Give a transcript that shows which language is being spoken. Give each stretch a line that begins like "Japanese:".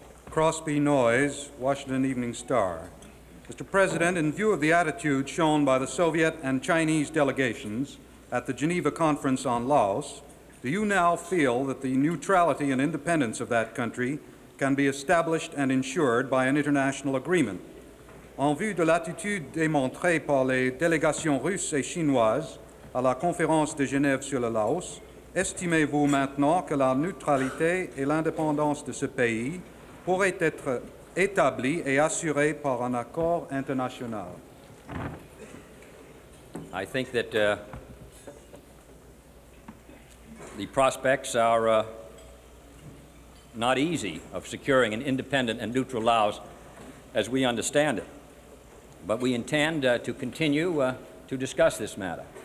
English: Crosby Noyes, Washington Evening Star. Mr. President, in view of the attitude shown by the Soviet and Chinese delegations at the Geneva Conference on Laos, do you now feel that the neutrality and independence of that country can be established and ensured by an international agreement?
French: En vue de l'attitude démontrée par les délégations russes et chinoises à la conférence de Genève sur le Laos, estimez-vous maintenant que la neutralité et l'indépendance de ce pays pourraient être établies et assurées par un accord international?
English: I think that the prospects are not easy of securing an independent and neutral Laos as we understand it. But we intend to continue to discuss this matter.